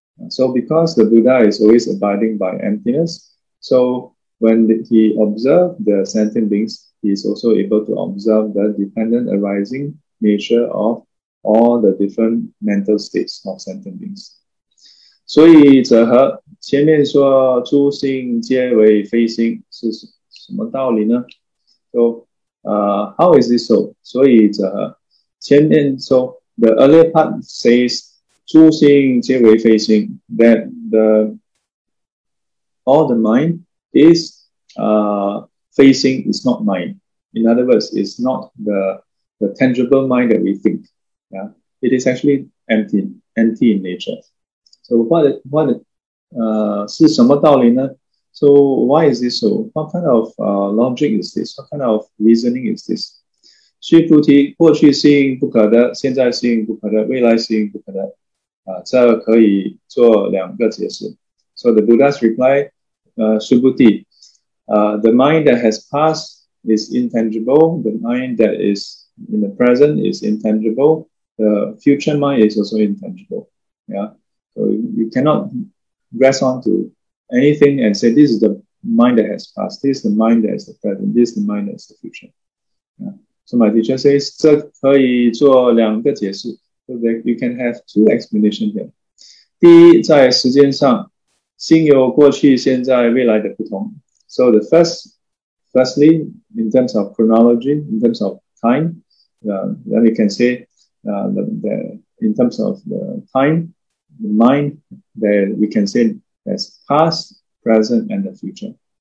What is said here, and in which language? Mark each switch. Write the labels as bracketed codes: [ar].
[en] So because the Buddha is always abiding by emptiness, so when he observes the sentient beings, he is also able to observe the dependent arising nature of all the different mental states of sentient beings. [zh] 所以则和 前面说诸心皆为非心是什么道理呢? [en] So, how is this so? [zh] 所以则前面, [en] so the earlier part says [zh] 诸心皆为非心, [en] that all the mind is facing is not mind. In other words, it's not the tangible mind that we think. Yeah? It is actually empty in nature. So So why is this so? What kind of logic is this? What kind of reasoning is this? [zh] 须菩提，过去心不可得，现在心不可得，未来心不可得，这可以做两个解释。 [en] So the Buddha's reply, Subhuti, the mind that has passed is intangible. The mind that is in the present is intangible. The future mind is also intangible. Yeah. So you cannot grasp on to anything and say, this is the mind that has passed. This is the mind that is the present. This is the mind that is the future. Yeah. So my teacher says, [zh] 这可以做两个解释. [en] So that you can have two explanations here. [zh] 第一，在时间上, 心有过去、现在、未来的不同. [en] So the firstly, in terms of chronology, in terms of time, then we can say in terms of the time, the mind, that we can say as past, present, and the future.